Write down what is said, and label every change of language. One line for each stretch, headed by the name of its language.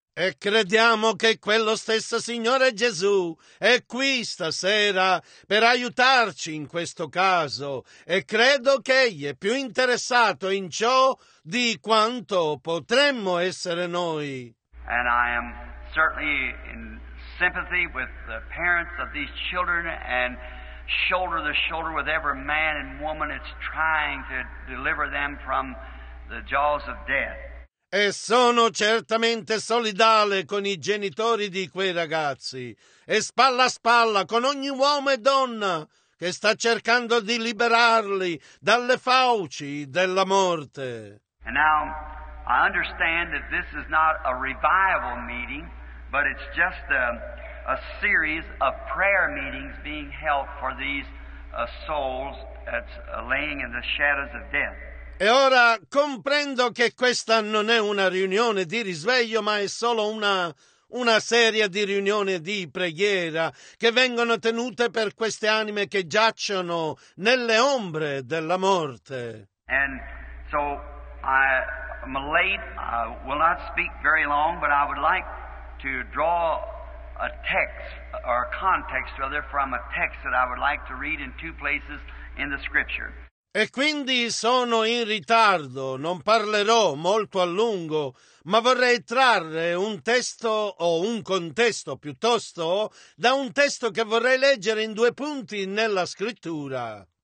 Italian: E crediamo che quello stesso Signore Gesù è qui stasera per aiutarci in questo caso e credo che egli è più interessato in ciò di quanto potremmo essere noi.
English: And I am certainly in sympathy with the parents of these children and shoulder to shoulder with every man and woman that's trying to deliver them from the jaws of death.
Italian: E sono certamente solidale con i genitori di quei ragazzi e spalla a spalla con ogni uomo e donna che sta cercando di liberarli dalle fauci della morte.
English: And now I understand that this is not a revival meeting, but it's just a series of prayer meetings being held for these souls that's laying in the shadows of death.
Italian: E ora comprendo che questa non è una riunione di risveglio, ma è solo una serie di riunioni di preghiera che vengono tenute per queste anime che giacciono nelle ombre della morte.
English: And so I'm late, I will not speak very long, but I would like to draw a text or a context rather from a text that I would like to read in two places in the scripture.
Italian: E quindi sono in ritardo, non parlerò molto a lungo, ma vorrei trarre un testo o un contesto piuttosto da un testo che vorrei leggere in due punti nella scrittura.